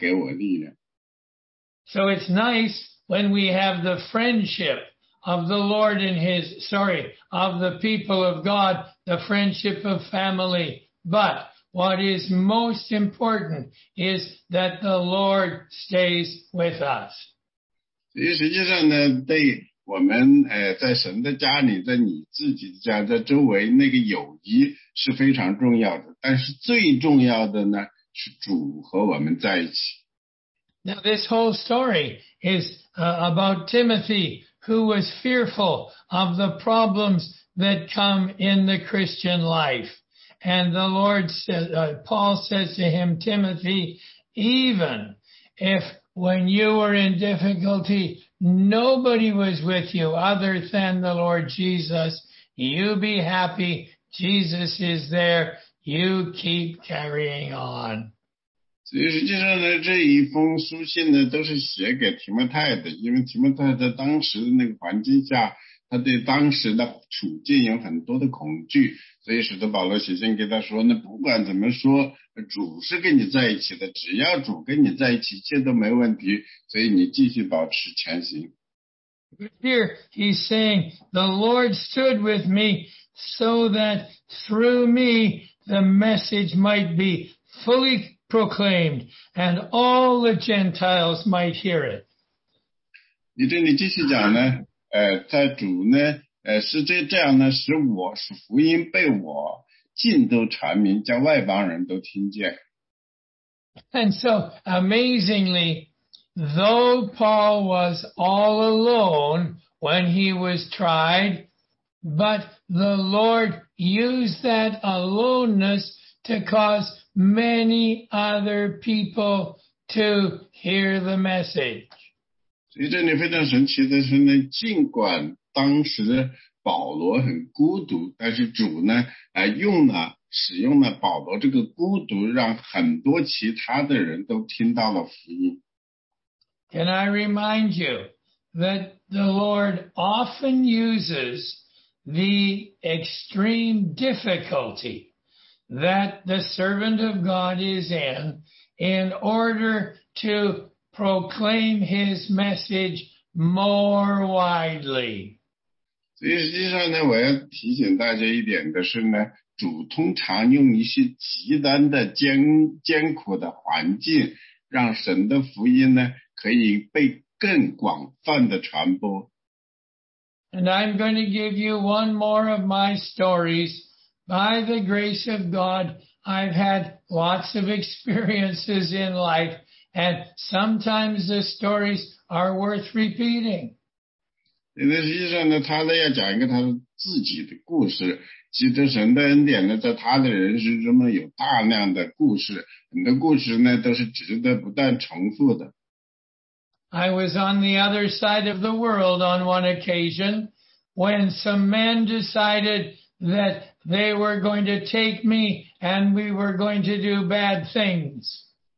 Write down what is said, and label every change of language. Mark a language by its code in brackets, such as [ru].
[zh] 所以第十七节说呢，唯有主站在我旁边，加给我力量。 [en] So it's nice when we have the friendship of the Lord and His, sorry, of the people of God, the friendship of family. But what is most important is that the Lord stays with us. [zh] 所以实际上呢，对我们在神的家里，在你自己的家，在周围那个友谊是非常重要的。但是最重要的呢，是主和我们在一起。 [en] Now this whole story is about Timothy, who was fearful of the problems that come in the Christian life. And the Lord says, Paul says to him, Timothy, even if when you were in difficulty, nobody was with you other than the Lord Jesus, you be happy. Jesus is there. You keep carrying on. [zh] 所以实际上呢，这一封书信呢，都是写给提摩太的，因为提摩太在当时的那个环境下，他对当时的处境有很多的恐惧。所以使得保罗写信给他说，那不管怎么说，主是跟你在一起的，只要主跟你在一起，一切都没问题，所以你继续保持前行。 [en] Here he's saying, the Lord stood with me so that through me the message might be fully proclaimed and all the Gentiles might hear it. [zh] 你这里继续讲呢，在主呢，是这样呢，使我使福音被我尽都阐明，叫外邦人都听见。 [en] And so, amazingly,though Paul was all alone when he was tried, but the Lord used that aloneness to cause many other people to hear the message. [zh] 所以这里非常神奇的是呢，尽管当时保罗很孤独，但是主呢，使用了保罗这个孤独，让很多其他的人都听到了福音。 [en] Can I remind you that the Lord often uses the extreme difficulty that the servant of God is in order to proclaim his message more widely? [zh] 所以实际上呢，我要提醒大家一点的是呢，主通常用一些极端的艰苦的环境，让神的福音呢可以被更广泛的传播。 [en] And I'm going to give you one more of my stories. By the grace of God, I've had lots of experiences in life, and sometimes the stories are worth repeating. [zh] 那实际上呢，他呢要讲一个他自己的故事。其实神的恩典呢，在他的人生中呢有大量的故事，很多故事呢都是值得不断重复的。 [en] I was on the other side of the world on one occasion when some men decided that they were going to take me and we were going to do bad things.